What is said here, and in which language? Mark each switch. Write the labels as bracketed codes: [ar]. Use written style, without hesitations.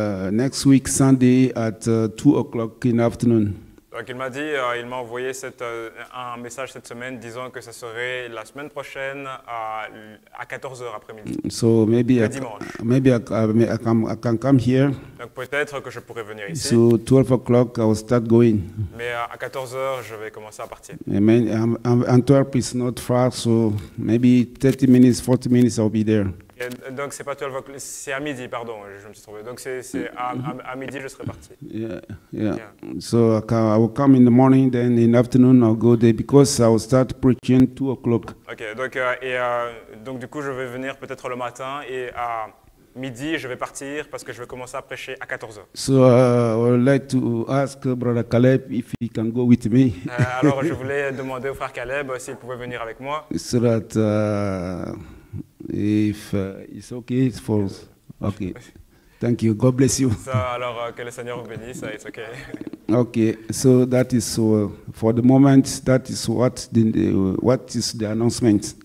[en] Next week Sunday at 2 o'clock in the afternoon. [fr] Donc il m'a dit, il m'a envoyé un message cette semaine, disant que ça serait la semaine prochaine à 14h après-midi. [en] So maybe I can come here. [fr] Donc peut-être que je pourrais venir ici. [en] So 12 o'clock I will start going. [fr] Mais à 14h je vais commencer à partir. Amen. [en] Antwerp is not far, so maybe 30 minutes, 40 minutes I'll be there. [fr] Donc c'est pas [en] 12 o'clock, [fr] c'est à midi, pardon, je me suis trompé. Donc c'est à midi, je serai parti. [en] Yeah. So I will come in the morning, then in the afternoon I'll go there because I will start preaching 2 o'clock. [fr] Okay, donc du coup je vais venir peut-être le matin et à midi je vais partir parce que je vais commencer à prêcher à 14h. [en] So I would like to ask Brother Caleb if he can go with me. [fr] Alors je voulais demander au frère Caleb s'il pouvait venir avec moi. [en] So that, if it's okay, it's false. Okay. Thank you. God bless you. [fr] Ça, alors, que le Seigneur vous bénisse, [en] it's okay. Okay. So that is for the moment. That is what is the announcement.